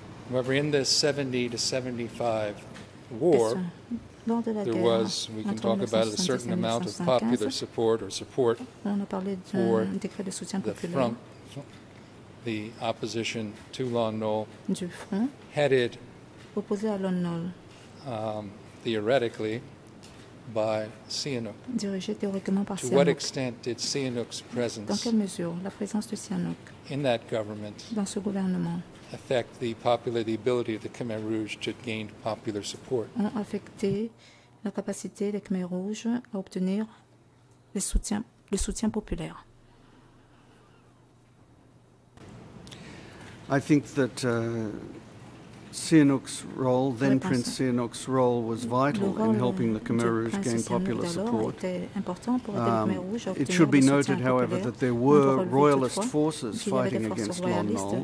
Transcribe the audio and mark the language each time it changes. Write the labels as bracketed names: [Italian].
[English] However, in this 70 to 75 war, there was, we can talk about it, a certain amount of popular support or support for the opposition to Lon Nol, headed theoretically by Sihanouk. To what extent did Sihanouk's presence in that government affect the popular, the ability of the Khmer Rouge to gain popular support? [French] Ont affecté la capacité des Khmer Rouges à obtenir le soutien populaire. [English] I think that Sihanouk's role, then Prince Sihanouk's role, was vital in helping the Khmer Rouge gain popular support. It should be noted, however, that there were royalist forces fighting against Lon Nol.